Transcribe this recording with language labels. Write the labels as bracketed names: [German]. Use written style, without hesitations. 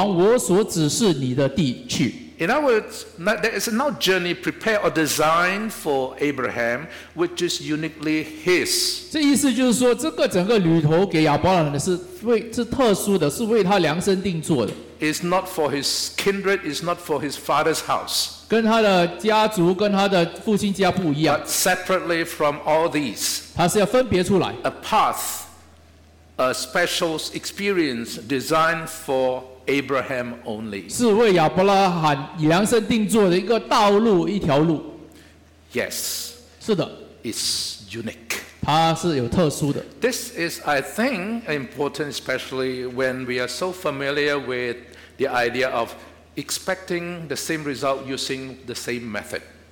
[Chinese] 你要离开本地本族父家往我所指示你的地去。 [English] In other words, there is no journey prepared or designed for Abraham, which is uniquely his. [Chinese] 这意思就是说, 这个整个旅途给亚伯拉罕的是特殊的, 是为他量身定做的。 [English] It's not for his kindred, it's not for his father's house. [Chinese] 跟他的家族, 跟他的父亲家不一样。 [English] But separately from all these, [Chinese] 他是要分别出来。 [English] A path, a special experience designed for Abraham only. [Chinese] 是为亚伯拉罕量身定做的一个道路，一条路。 [English] Yes. [Chinese] 是的。 [English] It's unique. [Chinese] 它是有特殊的。 [English] This is, I think, important, especially when we are so familiar with the idea of expecting the same result using the same method.